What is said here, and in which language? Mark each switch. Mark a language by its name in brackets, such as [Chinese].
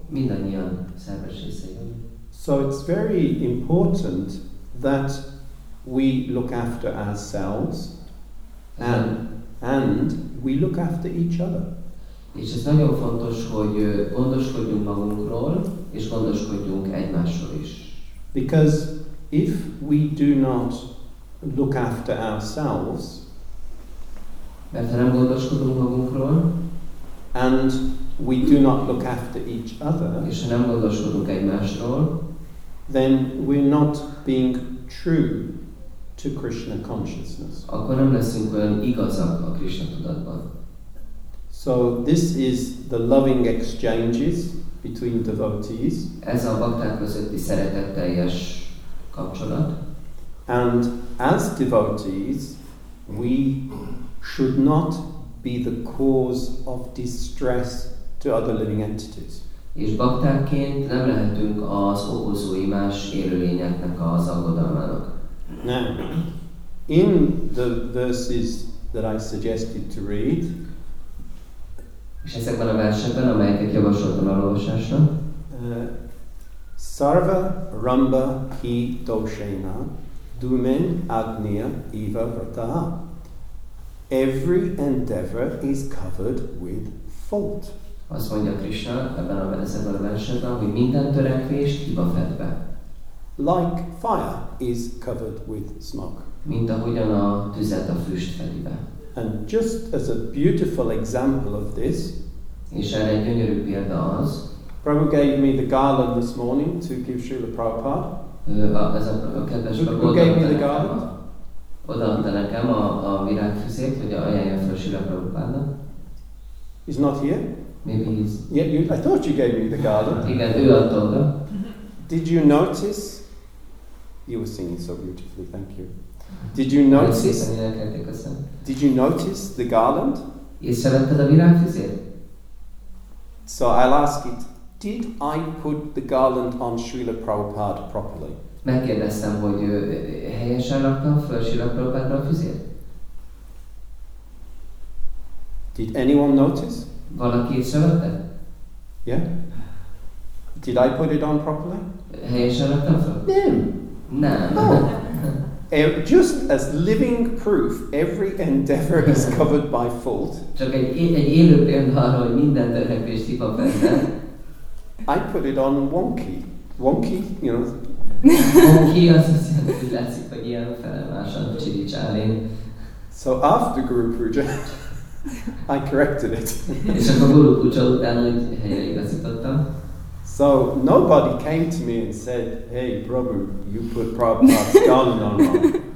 [Hungarian] Mindannyian szerves részei. [English] So it's very important that we look after ourselves and we look after each other. [Hungarian] És ez nagyon fontos, hogy gondoskodjunk magunkról, és gondoskodjunk egymásról is. [English] Because if we do not look after ourselves, [Hungarian] mert ha nem gondoskodunk magunkról, [English] and we do not look after each other, [Hungarian] és ha nem gondoskodunk egymásról, [English] then we're not being true to Krishna consciousness. [Hungarian] Akkor nem leszünk olyan igazak a Krishna tudatban. [English] So this is the loving exchanges between devotees. [Hungarian] Ez a bakták közötti szeretetteljes kapcsolat. [English] And as devotees, We should not be the cause of distress to other living entities. [Hungarian] És baktákként nem lehetünk az okozói más élőlényeknek az aggodalmának. [English] Now, in the verses that I suggested to read, [Hungarian] és ezekben a versekben, amelyeket javasoltam elolvasásra, [Sanskrit] Sarva Ramba Hi Doshena Dumen Agnia Eva Vrata. [English] Every endeavor is covered with fault. [Hungarian] Azt mondja Krishna ebben a versekben, hogy minden törekvés hiba fedve. [English] Like fire is covered with smoke. [Hungarian] Mint ahogyan a tüzet a füst fedibe. [English] And just as a beautiful example of this, [Hungarian] és erre egy gyönyörű példa az, [English] Prabhupada gave me the garland this morning to give Srila Prabhupada. Who gave me the garland? [Hungarian] Odaadta nekem a virágfüzét, hogy ajánljam fel Srila Prabhupada. [English] He's not here? Maybe he's... Yeah, you, I thought you gave me the garland. [Hungarian] Igen, ő adta oda. [English] Did you notice? You were singing so beautifully, thank you. Did you notice? Did you notice the garland? [Hungarian] Észrevetted a virágfüzét? [English] So I'll ask it. Did I put the garland on Srila Prabhupada properly? [Hungarian] Megkérdeztem, hogy helyesen raktam fel Srila Prabhupada füzét? [English] Did anyone notice? [Hungarian] Valaki észrevette? [English] Yeah. Did I put it on properly? [Hungarian] Helyesen raktam fel? [English] No. Just as living proof, every endeavor is covered by fault. [Hungarian] Csak egy élő példa arra, hogy minden törekvés hiba fedve. [English] I put it on wonky. Wonky, you know. [Hungarian] Wonky, azt hiszem, hogy látszik, hogy ilyen felemásan Csiri Csálin. [English] So after Guru Puja, I corrected it. [Hungarian] És akkor Guru Puja után, hogy helyre igazítottam. [English] So nobody came to me and said, hey, Prabhu, you put Prabhupada's garland on